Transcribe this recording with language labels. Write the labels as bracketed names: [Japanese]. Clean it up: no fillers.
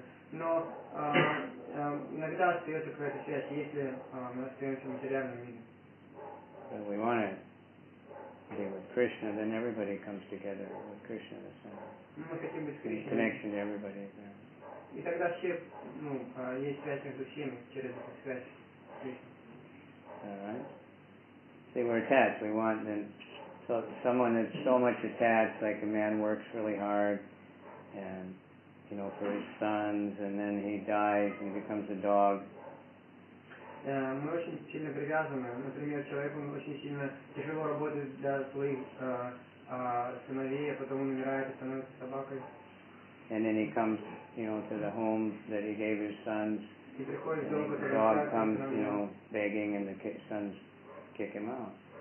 [Russian] Но иногда остается какая-то связь, если мы остаемся в материальном мире. [English] But we want to be with Krishna, then everybody comes together with Krishna. The [Russian] мы хотим быть с Кришной. [English] Connection to everybody. [Russian] И тогда все, ну, есть связь между всеми через эту связь с [English] Кришной. See, we're attached. We want then, so someone that's so much attached, like a man works really hard, and you know, for his sons, and then he dies and becomes a dog. [Russian] Мы очень сильно привязаны. Например, человеку очень сильно тяжело работать для своих сыновей, а потом он умирает и становится собакой. [English] And then he comes, you know, to the home that he gave his sons. [Russian] И приходит дом, который [English] the dog comes, you know, begging, and the sons kick him out.